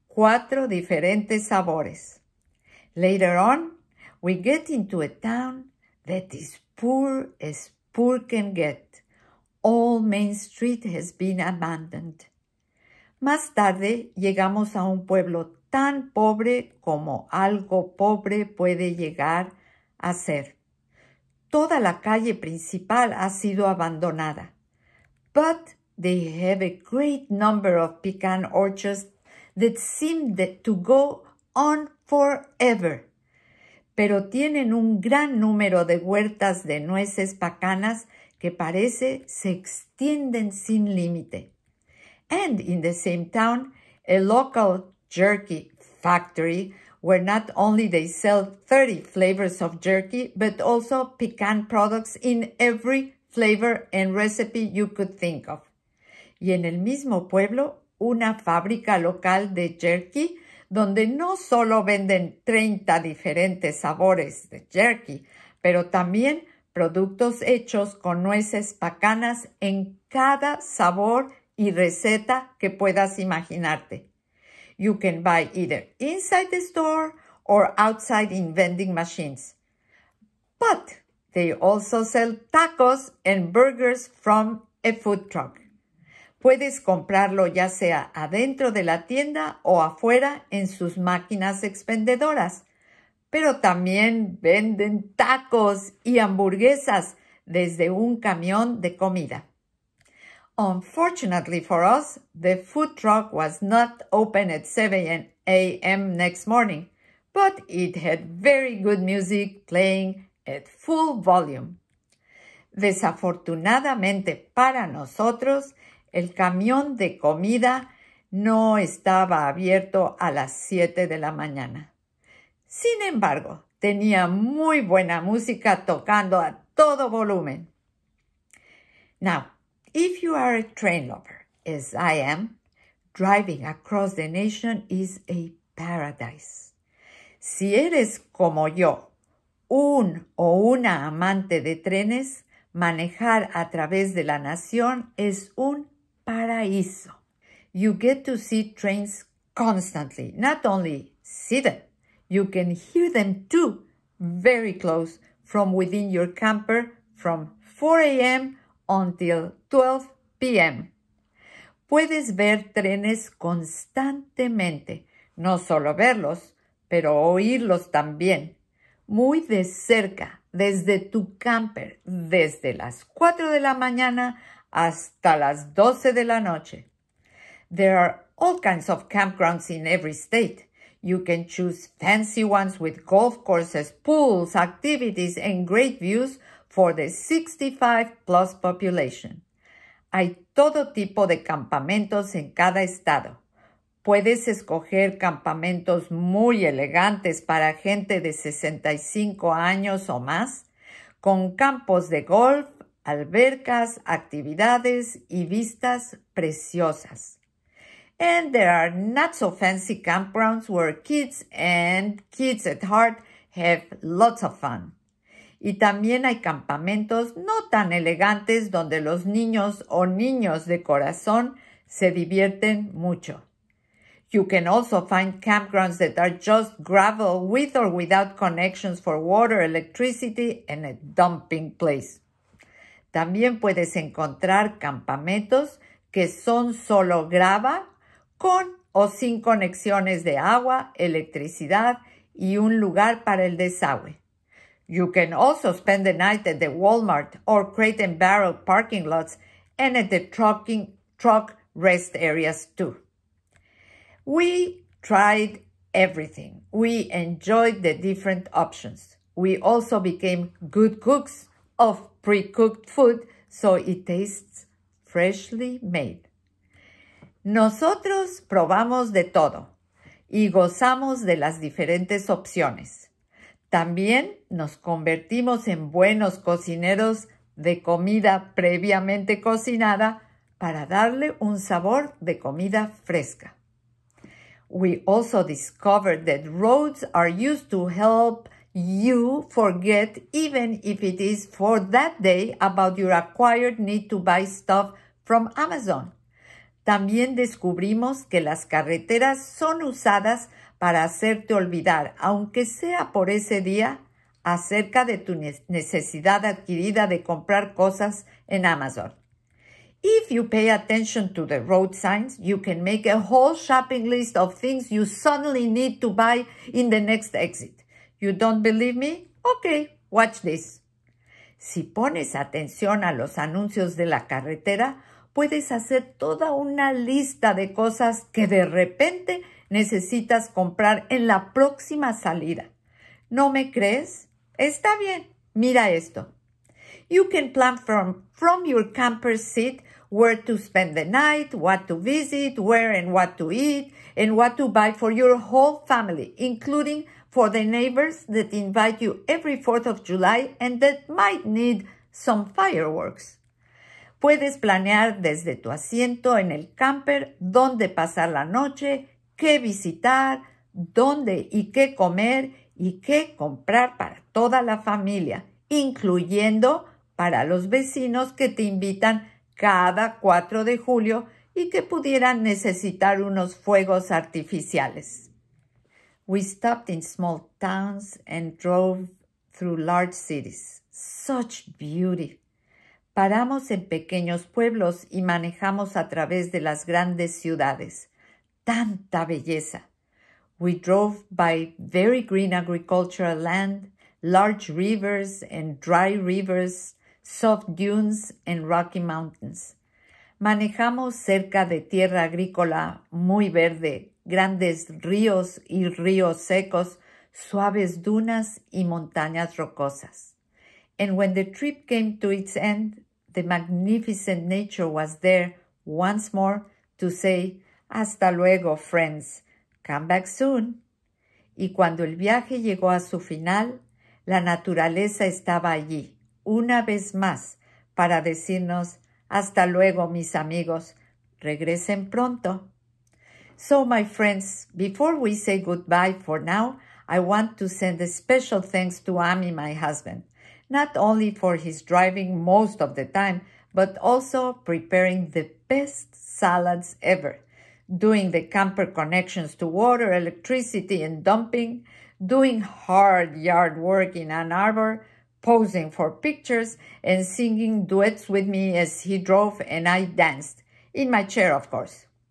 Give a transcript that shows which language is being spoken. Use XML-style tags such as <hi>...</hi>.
<es>cuatro diferentes sabores.</es> <en>Later on, we get into a town that is poor as poor can get. All Main Street has been abandoned.</en> <es>Más tarde, llegamos a un pueblo tan pobre como algo pobre puede llegar a ser. Toda la calle principal ha sido abandonada.</es> <en>But they have a great number of pecan orchards that seem to go on forever.</en> <es>Pero tienen un gran número de huertas de nueces pacanas que parece se extienden sin límite.</es> <en>And in the same town, a local jerky factory where not only they sell 30 flavors of jerky, but also pecan products in every flavor and recipe you could think of.</en> <es>Y en el mismo pueblo, una fábrica local de jerky, donde no solo venden 30 diferentes sabores de jerky, pero también productos hechos con nueces pacanas en cada sabor y receta que puedas imaginarte.</es> <en>You can buy either inside the store or outside in vending machines. But they also sell tacos and burgers from a food truck.</en> <es>Puedes comprarlo ya sea adentro de la tienda o afuera en sus máquinas expendedoras. Pero también venden tacos y hamburguesas desde un camión de comida.</es> <en>Unfortunately for us, the food truck was not open at 7 a.m. next morning, but it had very good music playing at full volume.</en> <es>Desafortunadamente para nosotros, el camión de comida no estaba abierto a las 7 de la mañana. Sin embargo, tenía muy buena música tocando a todo volumen.</es> <en>Now, if you are a train lover, as I am, driving across the nation is a paradise.</en> <es>Si eres como yo, un o una amante de trenes, manejar a través de la nación es un paraíso.</es> <en>You get to see trains constantly. Not only see them, you can hear them too, very close, from within your camper, from 4 a.m. until 12 p.m.</en> <es>Puedes ver trenes constantemente, no solo verlos, pero oírlos también, muy de cerca, desde tu camper, desde las 4 de la mañana hasta las 12 de la noche.</es> <en>There are all kinds of campgrounds in every state. You can choose fancy ones with golf courses, pools, activities, and great views for the 65-plus population.</en> <es>Hay todo tipo de campamentos en cada estado. Puedes escoger campamentos muy elegantes para gente de 65 años o más, con campos de golf, albercas, actividades y vistas preciosas.</es> <en>And there are not so fancy campgrounds where kids and kids at heart have lots of fun.</en> <es>Y también hay campamentos no tan elegantes donde los niños o niños de corazón se divierten mucho.</es> <en>You can also find campgrounds that are just gravel with or without connections for water, electricity, and a dumping place.</en> <es>También puedes encontrar campamentos que son solo grava, con o sin conexiones de agua, electricidad y un lugar para el desagüe.</es> <en>You can also spend the night at the Walmart or Crate and Barrel parking lots and at the truck rest areas too. We tried everything. We enjoyed the different options. We also became good cooks of pre-cooked food so it tastes freshly made.</en> <es>Nosotros probamos de todo y gozamos de las diferentes opciones. También nos convertimos en buenos cocineros de comida previamente cocinada para darle un sabor de comida fresca.</es> <en>We also discovered that roads are used to help you forget, even if it is for that day, about your acquired need to buy stuff from Amazon.</en> <es>También descubrimos que las carreteras son usadas para hacerte olvidar, aunque sea por ese día, acerca de tu necesidad adquirida de comprar cosas en Amazon.</es> <en>If you pay attention to the road signs, you can make a whole shopping list of things you suddenly need to buy in the next exit. You don't believe me? Okay, watch this.</en> <es>Si pones atención a los anuncios de la carretera, puedes hacer toda una lista de cosas que de repente necesitas comprar en la próxima salida. ¿No me crees? Está bien, mira esto.</es> <en>You can plan from your camper seat where to spend the night, what to visit, where and what to eat, and what to buy for your whole family, including for the neighbors that invite you every 4th of July and that might need some fireworks.</en> <es>Puedes planear desde tu asiento en el camper dónde pasar la noche, qué visitar, dónde y qué comer y qué comprar para toda la familia, incluyendo para los vecinos que te invitan cada 4 de julio y que pudieran necesitar unos fuegos artificiales.</es> <en>We stopped in small towns and drove through large cities. Such beauty!</en> <es>Paramos en pequeños pueblos y manejamos a través de las grandes ciudades. ¡Tanta belleza!</es> <en>We drove by very green agricultural land, large rivers and dry rivers, soft dunes and rocky mountains.</en> <es>Manejamos cerca de tierra agrícola muy verde, grandes ríos y ríos secos, suaves dunas y montañas rocosas.</es> <en>And when the trip came to its end, the magnificent nature was there once more to say,</en> <es>hasta luego,</es> <en>friends. Come back soon.</en> <es>Y cuando el viaje llegó a su final, la naturaleza estaba allí, una vez más, para decirnos, hasta luego, mis amigos. Regresen pronto.</es> <en>So, my friends, before we say goodbye for now, I want to send a special thanks to Ami, my husband, not only for his driving most of the time, but also preparing the best salads ever, doing the camper connections to water, electricity, and dumping, doing hard yard work in Ann Arbor, posing for pictures, and singing duets with me as he drove and I danced, in my chair, of course.</en>